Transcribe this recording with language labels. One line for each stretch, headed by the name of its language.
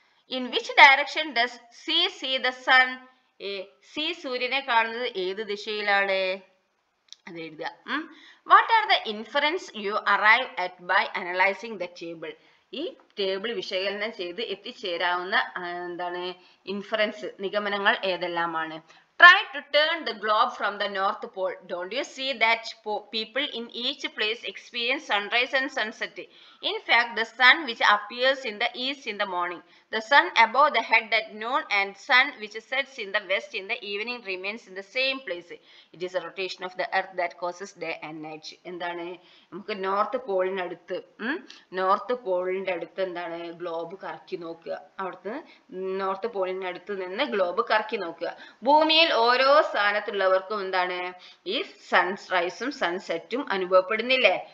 English: In which direction does she see the sun. She
Malayalam: സൂര്യനെ കാണുന്നത് ഏത് ദിശയിലാണ്, അത് എഴുതുക.
English: What are the inference you arrive at by analysing the table.
Malayalam: ഈ ടേബിൾ വിശകലനം ചെയ്ത് എത്തിച്ചേരാവുന്ന എന്താണ് ഇൻഫറൻസ്, നിഗമനങ്ങൾ ഏതെല്ലാമാണ്.
English: Try to turn the globe from the north pole. Don't you see that people in each place experience sunrise and sunset? In fact, the sun which appears in the east in the morning, the sun above the head at noon, and sun which sets in the west in the evening remains in the same place. It is a rotation of the earth that causes day and night.
Malayalam: എന്താണ് നമുക്ക് north പോളിന്റെ അടുത്ത്, north പോളിന്റെ അടുത്ത് എന്താണ് globe കറക്കി നോക്കുക. അവിടുത്തെ നോർത്ത് പോളിന്റെ അടുത്ത് നിന്ന് ഗ്ലോബ് കറക്കി നോക്കുക. ഭൂമിയിൽ ഓരോ സ്ഥാനത്തുള്ളവർക്കും എന്താണ് ഈ സൺറൈസും സൺസെറ്റും അനുഭവപ്പെടുന്നില്ലേ.